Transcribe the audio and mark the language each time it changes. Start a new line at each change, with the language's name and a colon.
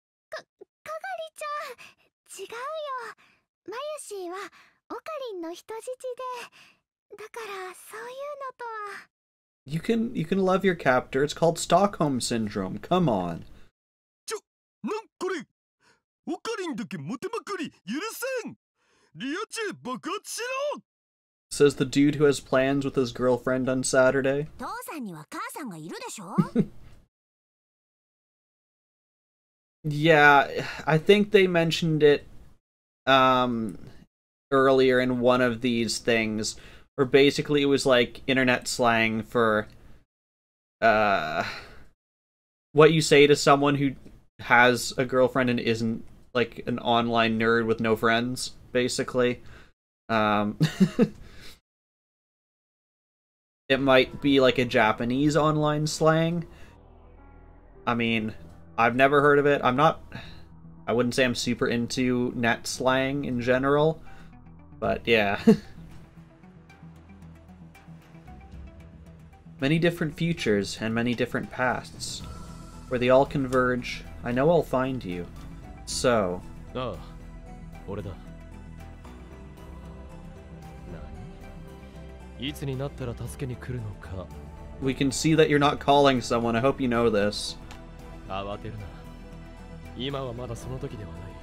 Japanese: かがりちゃん、違うよ。マユシーはオカリンの人質で、だからそういうのとは。
English: You can love your captor. It's called Stockholm Syndrome. Come on.
Japanese: ちょ、なんこれ。オカリンだけモテまくり許せん。リアチェ爆発しろ。
English: Says the dude who has plans with his girlfriend on Saturday.
Japanese: 父さんには母さんがいるでしょ。
English: Yeah, I think they mentioned it earlier in one of these things, where basically it was like internet slang for what you say to someone who has a girlfriend and isn't. Like an online nerd with no friends, basically. it might be like a Japanese online slang. I mean, I've never heard of it. I wouldn't say I'm super into net slang in general, but yeah. Many different futures and many different pasts. Where they all converge, I know I'll find you. So...
Japanese: ああ、俺だ。何？いつになったら助けに来るのか。
English: We can see that you're not calling someone. I hope you know this.
Japanese: 慌てるな。今はまだその時ではない。